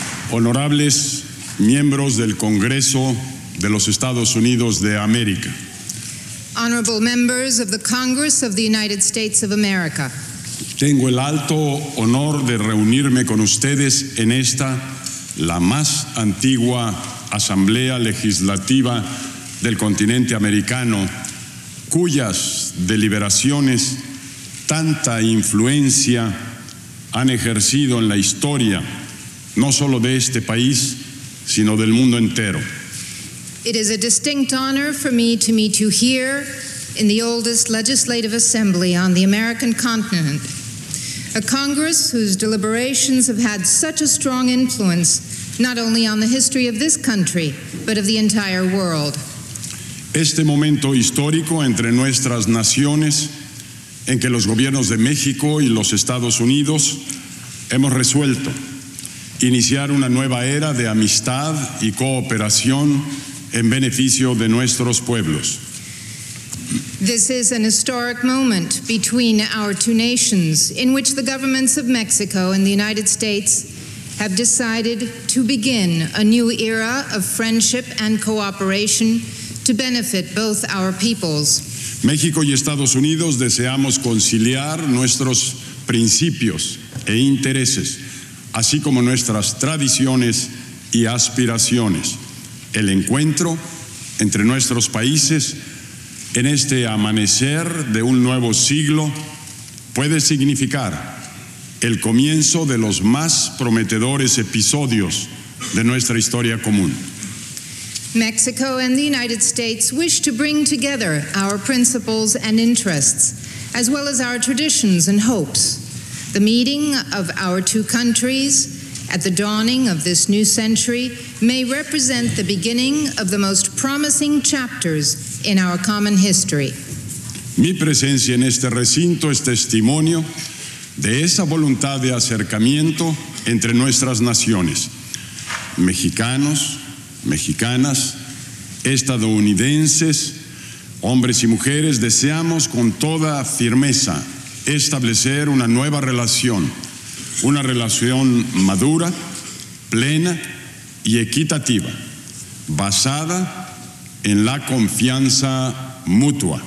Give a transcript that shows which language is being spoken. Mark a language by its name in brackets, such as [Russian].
[Spanish] Honorables miembros del Congreso de los Estados Unidos de América. [English] Honorable members of the Congress of the United States of America. [Spanish] Tengo el alto honor de reunirme con ustedes en esta, la más antigua asamblea legislativa del continente americano, cuyas deliberaciones tanta influencia han ejercido en la historia, no solo de este país, sino del mundo entero. [English] It is a distinct honor for me to meet you here in the oldest legislative assembly on the American continent, a Congress whose deliberations have had such a strong influence not only on the history of this country, but of the entire world. [Spanish] Este momento histórico entre nuestras naciones, en que los gobiernos de México y los Estados Unidos hemos resuelto iniciar una nueva era de amistad y cooperación en beneficio de nuestros pueblos. [English] This is an historic moment between our two nations in which the governments of Mexico and the United States have decided to begin a new era of friendship and cooperation to benefit both our peoples. [Spanish] México y Estados Unidos deseamos conciliar nuestros principios e intereses, así como nuestras tradiciones y aspiraciones. El encuentro entre nuestros países en este amanecer de un nuevo siglo puede significar el comienzo de los más prometedores episodios de nuestra historia común. [English] Mexico and the United States wish to bring together our principles and interests, as well as our traditions and hopes. The meeting of our two countries at the dawning of this new century may represent the beginning of the most promising chapters in our common history. [Spanish] Mi presencia en este recinto es testimonio de esa voluntad de acercamiento entre nuestras naciones, mexicanos, mexicanas, estadounidenses, hombres y mujeres, deseamos con toda firmeza establecer una nueva relación, una relación madura, plena y equitativa, basada en la confianza mutua.